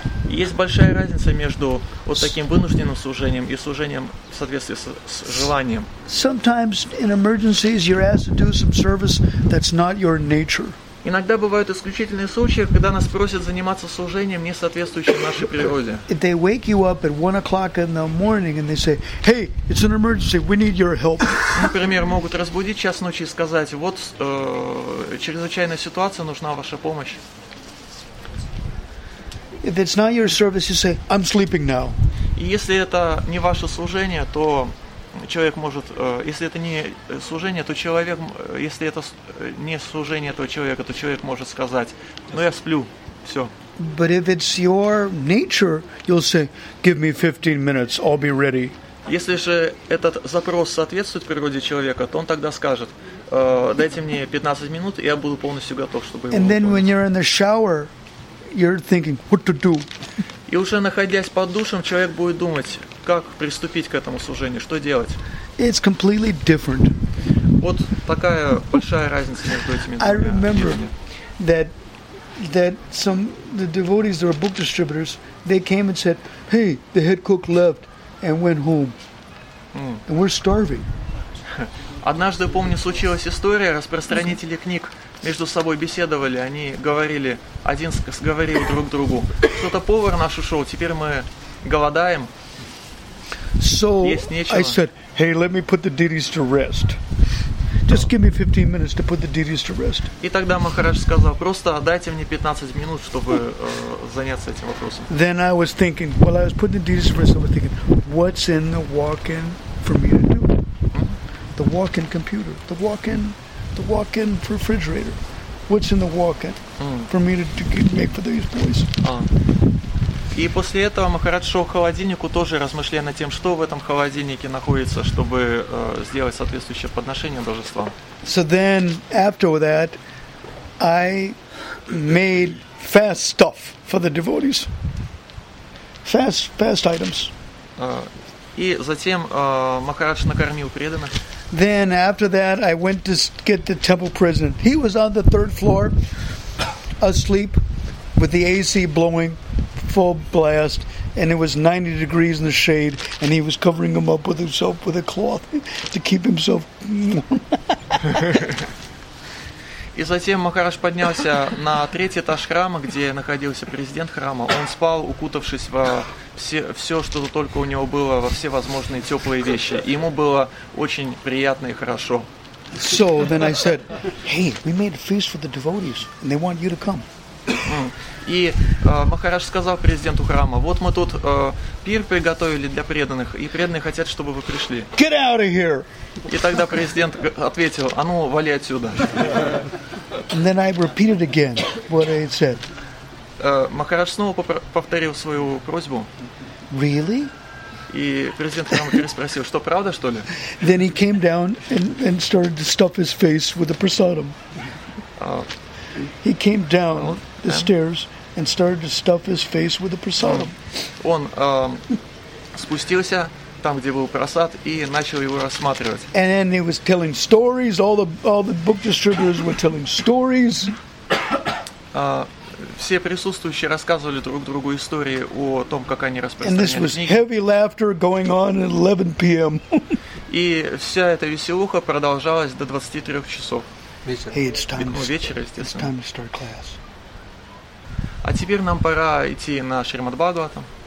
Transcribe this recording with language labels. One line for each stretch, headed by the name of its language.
Russian: Есть большая разница между вот таким вынужденным служением и служением в соответствии с желанием.
English: Sometimes in emergencies you're asked to do some service that's not your nature.
Russian: Иногда бывают исключительные случаи, когда нас просят заниматься служением, не соответствующим нашей природе.
English: If they wake you up at 1 o'clock in the morning and they say, "Hey, it's an emergency. We need your help."
Russian: Например, могут разбудить час ночи и сказать: "Вот чрезвычайная ситуация, нужна ваша помощь."
English: If it's not your service, you say, "I'm sleeping now."
Russian: И если это не ваше служение, то человек может, если это не служение, то человек, если это не служение этого человека, то человек может сказать: "Ну я сплю, все."
English: But if it's your nature, you'll say, "Give me 15 minutes, I'll be ready."
Russian: Если же этот запрос соответствует природе человека, то он тогда скажет: "Дайте мне 15 минут, и я буду полностью готов, чтобы."
English: And then when you're in the shower, you're thinking, "What to do?"
Russian: И уже находясь под душем, человек будет думать, как приступить к этому служению, что делать.
English: It's completely different.
Russian: Вот такая большая разница между этими двумя.
English: I remember that some the devotees or book distributors, they came and said, "Hey, the head cook left and went home, and we're starving."
Russian: Однажды, помню, случилась история, распространители книг между собой беседовали, они говорили, один говорил друг другу, что-то повар наш ушел, теперь мы голодаем,
English: so
Russian: есть нечего.
English: I said, hey, let me put the duties to rest. Just give me 15 minutes to put the duties to rest.
Russian: И тогда Махарадж сказал, просто дайте мне 15 минут, чтобы заняться этим вопросом.
English: Then I was thinking, while I was putting the duties to rest, I was thinking, what's in the walk-in for me to do? The walk-in computer, the walk-in refrigerator. What's in the walk-in for me to make for these boys?
Russian: И после этого Махарадж шел к холодильнику, тоже размышляя над тем, что в этом холодильнике находится, чтобы сделать соответствующее подношение божествам.
English: So then, after that, I made fast stuff for the devotees. Fast items.
Russian: И затем Махарадж накормил преданных.
English: Then after that I went to get the temple president. He was on the third floor, asleep, with the AC blowing full blast, and it was 90 degrees in the shade, and he was covering him up with himself with a cloth to keep himself warm.
Russian: И затем Махарадж поднялся на третий этаж храма, где находился президент храма. Он спал, укутавшись во все, что только у него было, во все возможные теплые вещи. И ему было очень приятно и хорошо.
English: So then I said, hey, we made a feast for the devotees, and they want you to come.
Russian: И Махарадж сказал президенту храма, вот мы тут пир приготовили для преданных, и преданные хотят, чтобы вы пришли.
English: Get out of here!
Russian: И тогда президент ответил, а ну, вали отсюда.
English: And then I repeated again what I had said.
Russian: Махарадж снова повторил свою просьбу.
English: Really?
Russian: И президент храма переспросил, что правда, что ли?
English: Then he came down and started to stuff his face with the prasadam. He came down the stairs and started to stuff his face with the prasadam.
Russian: Он спустился там, где был просад, и начал его рассматривать.
English: And then he was telling stories. All the book distributors were telling stories.
Russian: Все присутствующие рассказывали друг другу истории о том, как они распространяли книги.
English: And this was heavy laughter going on at 11 p.m.
Russian: И вся эта веселуха продолжалась до 23 часов.
English: Hey, it's time to start class.
Russian: А теперь нам пора идти на Шримад-Бхагаватам.